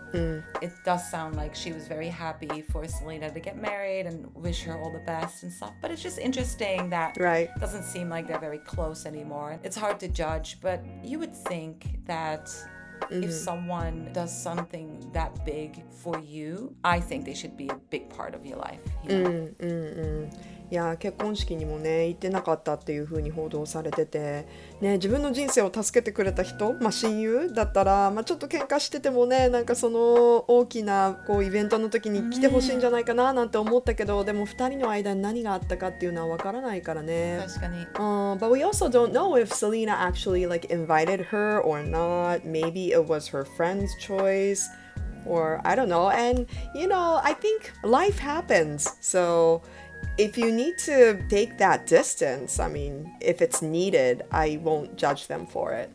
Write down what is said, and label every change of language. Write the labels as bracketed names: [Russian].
[English] It does sound like she was very happy for Selena to get married and wish her all the best and stuff. But it's just interesting that right. it doesn't seem like they're very close anymore. It's hard to judge, but you would think that... If someone does something that big for you, I think they should be a big part of your life. [Japanese] いや、結婚式にもね行ってなかったっていう風に報道されてて、ね、自分の人生を助けてくれた人、まあ、親友だったら、まあ、ちょっと喧嘩しててもね、なんかその大きなこうイベントの時に来てほしいんじゃないかななんて思ったけど、でも2人の間に何があったかっていうのは分からないからね。確かに。 [English] But we also don't know if Selena actually like invited her or not. Maybe it was her friend's choice or I don't know. And you know, I think life happens. SoIf you need to take that distance, I mean, if it's needed, I won't judge them for it.